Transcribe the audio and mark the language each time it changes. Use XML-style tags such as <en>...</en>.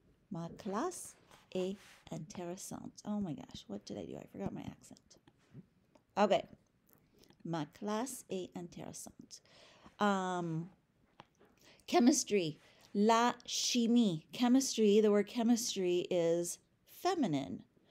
<fr>Ma classe est intéressante.</fr> <en>Oh my gosh, what did I do? I forgot my accent. Okay.</en> <fr>Ma classe est intéressante.</fr> <en>Chemistry, la chimie. Chemistry, the word chemistry is feminine.</en>